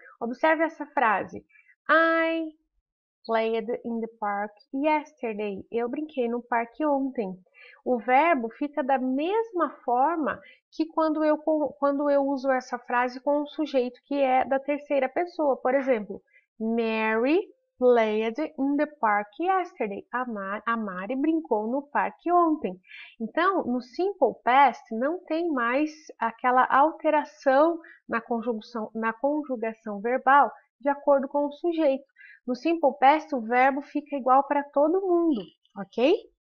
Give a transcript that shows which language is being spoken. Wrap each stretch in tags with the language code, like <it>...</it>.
<pt>Observe essa frase.</pt> <en>I played in the park yesterday.</en> <pt>Eu brinquei no parque ontem. O verbo fica da mesma forma que quando eu uso essa frase com o sujeito que é da terceira pessoa. Por exemplo,</pt> <en>Mary played in the park yesterday.</en> <pt>A Mari brincou no parque ontem. Então, no simple past, não tem mais aquela alteração na conjugação verbal de acordo com o sujeito. No simple past, o verbo fica igual para todo mundo, ok?</pt>